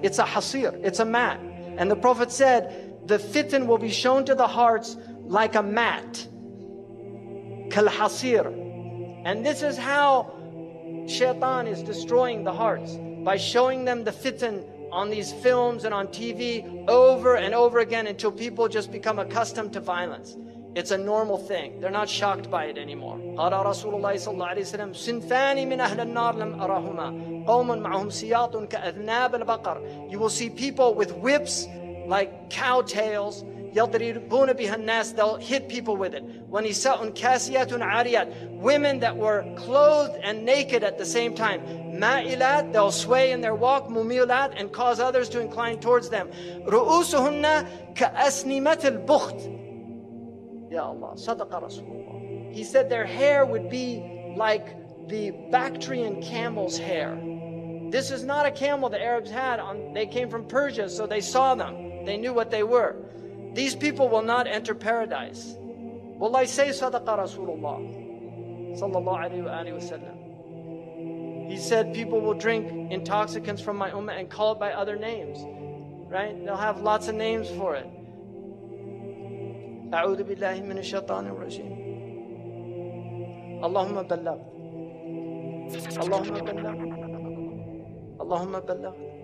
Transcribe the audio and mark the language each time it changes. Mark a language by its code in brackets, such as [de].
[en] It's a hasir, it's a mat. And the Prophet said, the fitn will be shown to the hearts like a mat. Kal hasir. And this is how shaitan is destroying the hearts, by showing them the fitn on these films and on TV over and over again until people just become accustomed to violence. It's a normal thing. They're not shocked by it anymore. [ar] قال رسول الله صلى الله عليه وسلم سنفان من أهل النار لم أرهما قوم معهم سياط كأذناب البقر. [en] You will see people with whips like cow tails. [ar] يضربون بها الناس. [en] They'll hit people with it. [ar] ونساء كاسيات عاريات. [en] Women that were clothed and naked at the same time. [ar] مائلات. [en] They'll sway in their walk. [ar] مميلات. [en] And cause others to incline towards them. [ar] رؤوسهن كأسنمة البخت. Ya Allah, sadaqa Rasulullah. [en] He said their hair would be like the Bactrian camel's hair. This is not a camel the Arabs had. They came from Persia, so they saw them. They knew what they were. These people will not enter paradise. Wallahi say sadaqa Rasulullah. Sallallahu alayhi wa sallam. He said people will drink intoxicants from my ummah and call it by other names. Right? They'll have lots of names for it. [ar] أعوذ بالله من الشيطان الرجيم. اللهم بلغ. اللهم بلغ. اللهم بلغ. اللهم بلغ.